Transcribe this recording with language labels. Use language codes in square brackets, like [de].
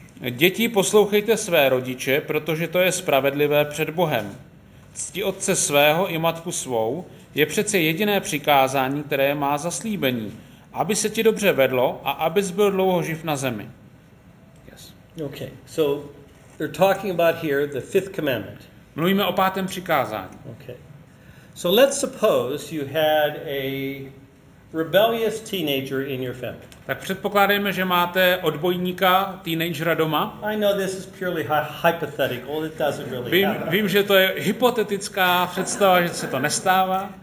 [cs] Děti, poslouchejte své rodiče, protože to je spravedlivé před Bohem. Cti otce svého i matku svou je přece jediné přikázání, které má zaslíbení. Aby se ti dobře vedlo a abys byl dlouho živ na zemi. [en] Yes. Okay. So they're talking about here the fifth commandment. [cs] Mluvíme o pátém přikázání. [en] Okay. So let's suppose you had a rebellious teenager in your family. [cs] Tak předpokládejme, že máte odbojníka, teenagera doma. [en] I know this is purely hypothetical. It doesn't really happen. [cs] Vím, že to je hypotetická představa, že se to nestává.